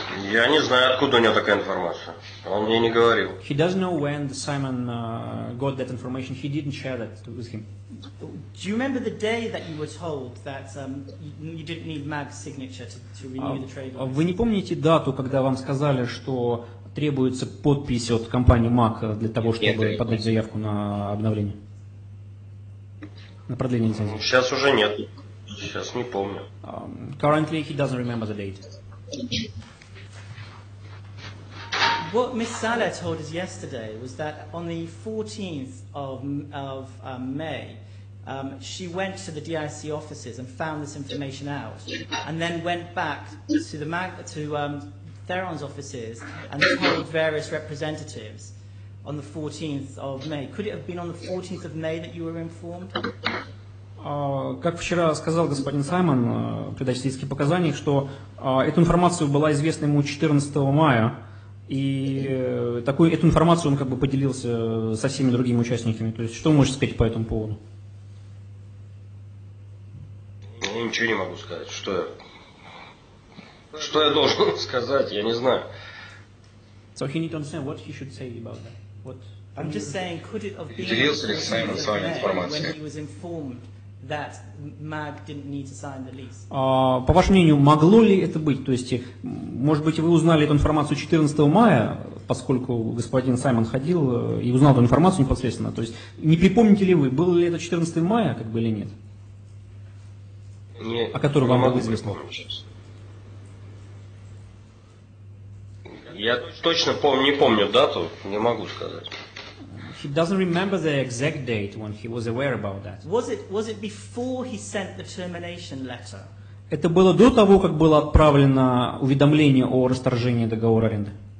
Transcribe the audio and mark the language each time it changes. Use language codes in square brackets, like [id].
[ru] Я не знаю, откуда у него такая информация. Он мне не говорил. [en] He doesn't know when Simon got that information. He didn't share that with him. Do you remember the day that you were told that you didn't need MAG's signature to renew the trade? [ru] Вы не помните дату, когда вам сказали, что требуется подпись от компании MAG для того, чтобы подать заявку на обновление, на продление лицензии? Сейчас уже нет. Сейчас не помню. [en] Currently he doesn't remember the date. What Ms. Saleh told us yesterday was that on the 14th of May, she went to the DIC offices and found this information out, and then went back to the Theron's offices and told various representatives on the 14th of May. Could it have been on the 14th of May that you were informed? [ru] Как вчера сказал господин Саймон в передаче свидетельских показаний, что эту информацию была известна ему 14 мая, и такую эту информацию он как бы поделился со всеми другими участниками. То есть, что вы можете сказать по этому поводу? Я ничего не могу сказать. Что я должен сказать, я не знаю. [en] So he needs to understand what he should say about that. What? I'm just saying, could it have been? [ru] Делился ли Саймон с вами информацией? [en] When he was informed that MAG didn't need to sign the lease. [ru] По вашему мнению, могло ли это быть? То есть, может быть, вы узнали эту информацию 14 мая, поскольку господин Саймон ходил и узнал эту информацию непосредственно. То есть, не припомните ли вы, было ли это 14 мая, как бы, или нет? Не, о котором не вам могу известно. Я точно не помню дату, не могу сказать. [en] He doesn't remember the exact date when he was aware about that. Was it before he sent the termination letter? [ru] Это было до того, как было отправлено уведомление о расторжении договора аренды.